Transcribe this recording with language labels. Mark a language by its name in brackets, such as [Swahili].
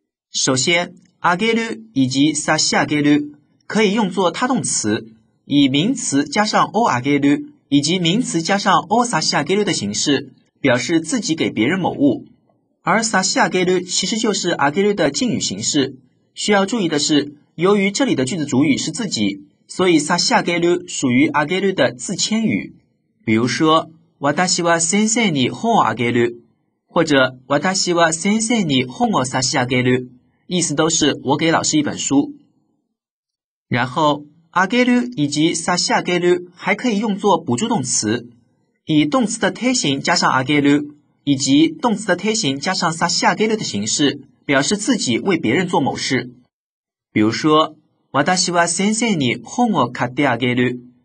[Chinese] 首先あげる以及差し上げる可以用作他动词，以名词加上をあげる以及名词加上を差し上げる的形式表示自己给别人某物。而差し上げる其实就是あげる的敬语形式，需要注意的是由于这里的句子主语是自己，所以差し上げる属于あげる的自谦语。比如说 [Japanese] 私は先生に本をあげる， [Chinese] 或者 [Japanese] 私は先生に本を差し上げる， [Chinese] 意思都是我给老师一本书。然后あげる以及差し上げる还可以用作补助动词，以动词的贴形加上あげる以及动词的贴形加上差し上げる的形式表示自己为别人做某事。比如说 [Japanese] 私は先生に本を買ってあげる，